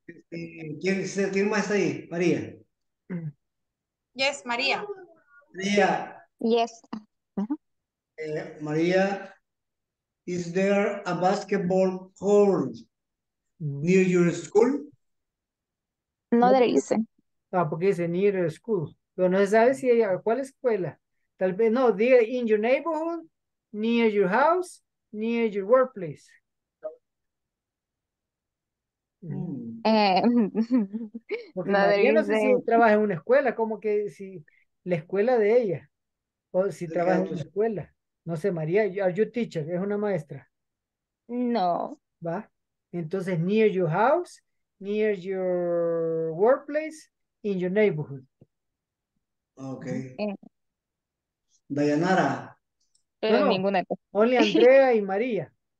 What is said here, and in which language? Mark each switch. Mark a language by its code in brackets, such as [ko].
[es] ¿Quién más está ahí? María. [en] Yes, María. María. Yes. María, is there a basketball court near your school? No, there isn't. [es] Ah, porque dice [en] near your school. [es] Pero no se sabe si hay, ¿cuál escuela? Tal vez, no, diga [en] in your neighborhood, near your house, near your workplace. [es] Porque no sé si trabaja en una escuela, como que si la escuela de ella, o si trabaja en su escuela. No sé, María, [en] are you teacher? [es] ¿Es una maestra? No. ¿Va? Entonces, [en] near your house, near your workplace, in your neighborhood. Ok. Dayanara. [es] Pero no, ninguna. [en] Only Andrea y María.